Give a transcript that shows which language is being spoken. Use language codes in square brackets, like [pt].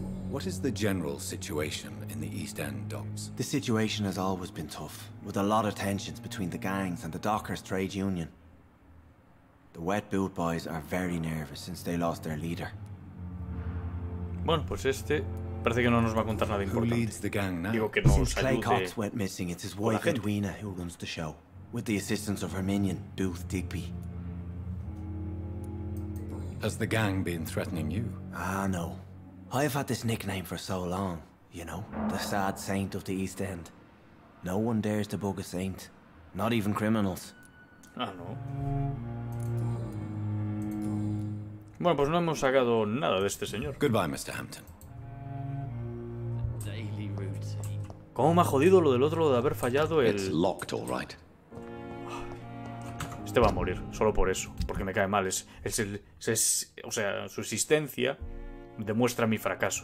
[en] What is the general situation in the East End docks? The situation has always been tough, with a lot of tensions between the gangs and the Dockers' trade union. The Wet Boot Boys are very nervous since they lost their leader. [es] Bueno, pues este parece que no nos va a contar nada importante. [en] Who leads the gang now? [es] Digo que no, [en] since Clay Cox went missing, it's his wife Edwina who runs the show, with the assistance of her minion, Booth Digby. Has the gang been threatening you? Ah, no. I have had this nickname for so long, you know, the sad saint of the East End. No one dares to bug a saint, not even criminals. Ah, no. [es] Bueno, pues no hemos sacado nada de este señor. [en] Goodbye, Mr. Hampton. Daily routine. [es] ¿Cómo me ha jodido lo del otro de haber fallado el? [en] It's locked, all right. [es] Este va a morir solo por eso, porque me cae mal. O sea, su existencia demuestra mi fracaso.